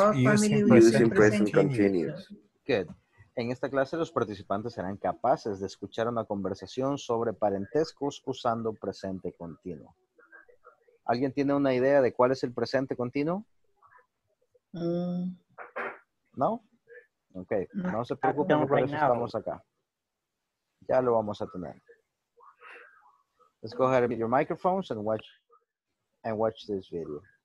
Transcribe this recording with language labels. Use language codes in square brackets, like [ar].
[en] In this lesson, participants will be able to listen to a conversation about families using present continuous. Good. [es] En esta clase, los participantes serán capaces de escuchar una conversación sobre parentescos usando presente continuo. ¿Alguien tiene una idea de cuál es el presente continuo? ¿No? Ok, no se preocupen, por eso estamos acá. Ya lo vamos a tener. [en] Let's go ahead and get your microphones and watch this video.